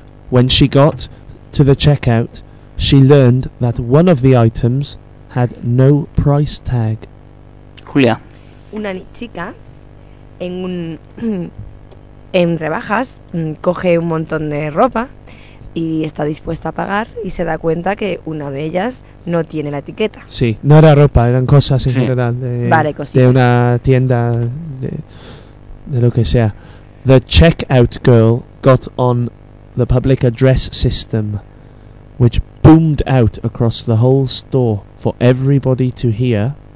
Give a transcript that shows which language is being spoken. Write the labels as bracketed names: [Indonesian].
[English] When she got to the checkout, she learned that one of the items had no price tag. Julia. [Spanish] Una chica en rebajas coge un montón de ropa y está dispuesta a pagar y se da cuenta que una de ellas no tiene la etiqueta. Sí, no era ropa, eran cosas en general de una tienda de lo que sea. [English] The checkout girl got on the public address system, which boomed out across the whole store for everybody to hear.